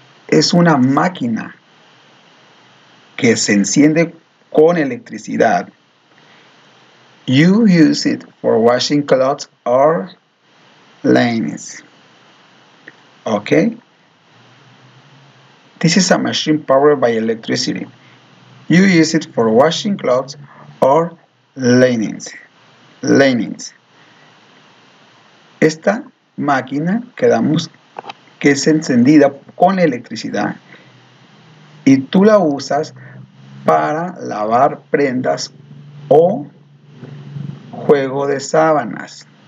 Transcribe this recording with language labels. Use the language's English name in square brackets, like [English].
[Spanish] Es una máquina que se enciende con electricidad. [English] You use it for washing clothes or linens. Okay? This is a machine powered by electricity. You use it for washing clothes or linens. Linens. [Spanish] Esta máquina que es encendida con electricidad y tú la usas para lavar prendas o juego de sábanas.